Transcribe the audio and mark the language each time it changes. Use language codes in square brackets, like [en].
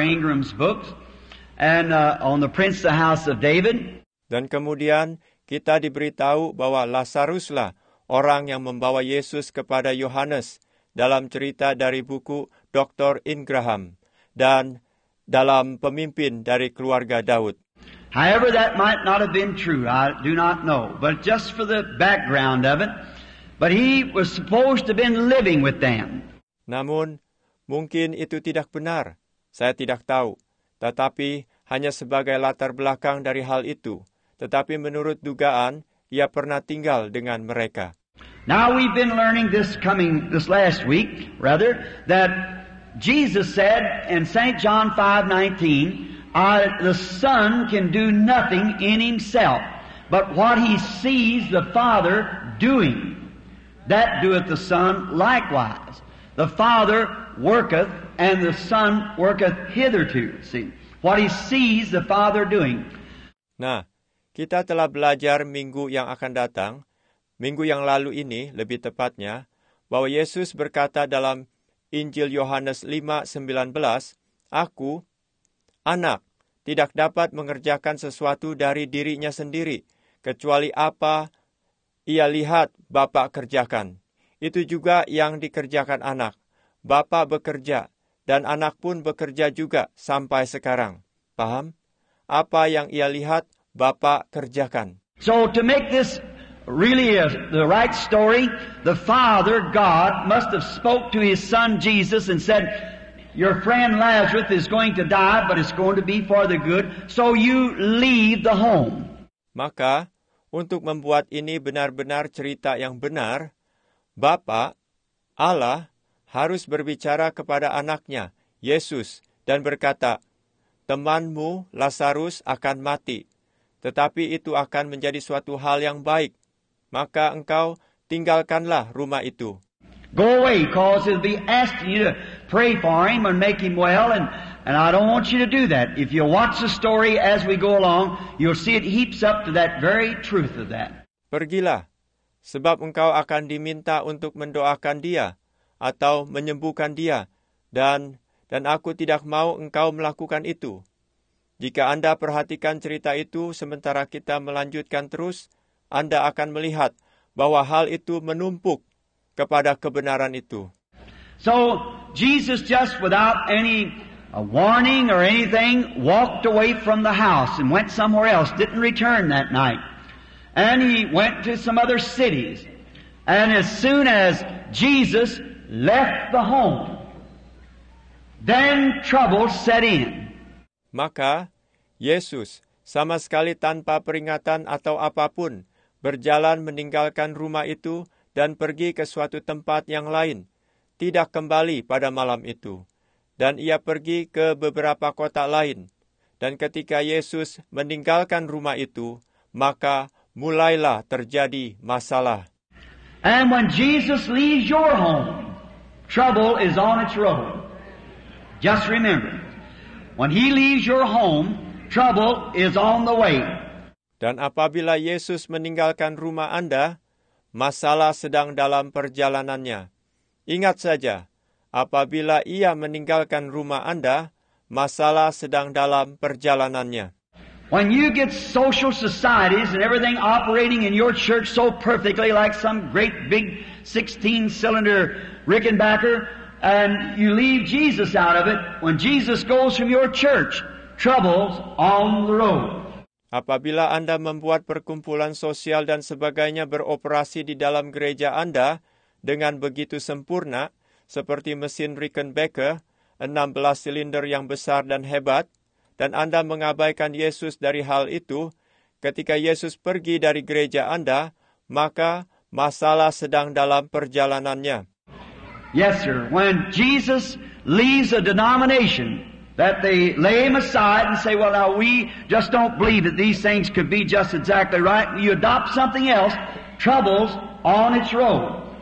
[en] Ingram's books and on the Prince of the House of David. [id] Dan kemudian kita diberitahu bahwa Lazaruslah orang yang membawa Yesus kepada Yohanes dalam cerita dari buku Dr. Ingram dan dalam pemimpin dari keluarga Daud. [en] However, that might not have been true. I do not know. But just for the background of it, but he was supposed to have been living with them. [id] Namun, mungkin itu tidak benar. Saya tidak tahu. Tetapi, hanya sebagai latar belakang dari hal itu. Tetapi menurut dugaan, ia pernah tinggal dengan mereka. [en] Now we've been learning this last week, rather, that Jesus said in St. John 5:19, the Son can do nothing in Himself, but what He sees the Father doing, that doeth the Son likewise. The Father worketh, and the Son worketh hitherto. See, what He sees the Father doing. [id] Nah, kita telah belajar minggu yang akan datang, minggu yang lalu ini lebih tepatnya, bahwa Yesus berkata dalam Injil Yohanes 5:19, Aku, Anak, tidak dapat mengerjakan sesuatu dari dirinya sendiri, kecuali apa ia lihat Bapa kerjakan. Itu juga yang dikerjakan Anak. Bapa bekerja, dan Anak pun bekerja juga sampai sekarang. Paham? Apa yang ia lihat Bapa kerjakan. [en] So to make this really the right story, the Father God must have spoke to His Son Jesus and said, Your friend Lazarus is going to die, but it's going to be for the good. So you leave the home. [id] Maka, untuk membuat ini benar-benar cerita yang benar, Bapa, Allah, harus berbicara kepada anaknya, Yesus, dan berkata, Temanmu, Lazarus, akan mati. Tetapi itu akan menjadi suatu hal yang baik. Maka engkau tinggalkanlah rumah itu. [en] Go away, cause it'll be asking you to pray for him and make him well, and I don't want you to do that. If you watch the story as we go along, you'll see it heaps up to that very truth of that. [id] Pergilah, sebab engkau akan diminta untuk mendoakan dia atau menyembuhkan dia, dan aku tidak mau engkau melakukan itu. Jika Anda perhatikan cerita itu sementara kita melanjutkan terus, Anda akan melihat bahwa hal itu menumpuk kepada kebenaran itu. [en] So Jesus just without any warning or anything walked away from the house and went somewhere else, didn't return that night. And he went to some other cities. And as soon as Jesus left the home, then trouble set in. [id] Maka Yesus, sama sekali tanpa peringatan atau apapun, berjalan meninggalkan rumah itu dan pergi ke suatu tempat yang lain, tidak kembali pada malam itu. Dan ia pergi ke beberapa kota lain. Dan ketika Yesus meninggalkan rumah itu, maka mulailah terjadi masalah. [en] And when Jesus leaves your home, trouble is on its road. Just remember, when he leaves your home, trouble is on the way. [id] Dan apabila Yesus meninggalkan rumah Anda, masalah sedang dalam perjalanannya. Ingat saja, apabila ia meninggalkan rumah Anda, masalah sedang dalam perjalanannya. [en] When you get social societies and everything operating in your church so perfectly like some great big 16-cylinder Rickenbacker, and you leave Jesus out of it, when Jesus goes from your church, trouble's on the road. [id] Apabila Anda membuat perkumpulan sosial dan sebagainya beroperasi di dalam gereja Anda dengan begitu sempurna, seperti mesin Rickenbacker, 16 silinder yang besar dan hebat, dan Anda mengabaikan Yesus dari hal itu, ketika Yesus pergi dari gereja Anda, maka masalah sedang dalam perjalanannya. [en] Yes, sir. When Jesus leaves a denomination that they lay him aside and say, well, now we just don't believe that these things could be just exactly right, you adopt something else, trouble's on its road.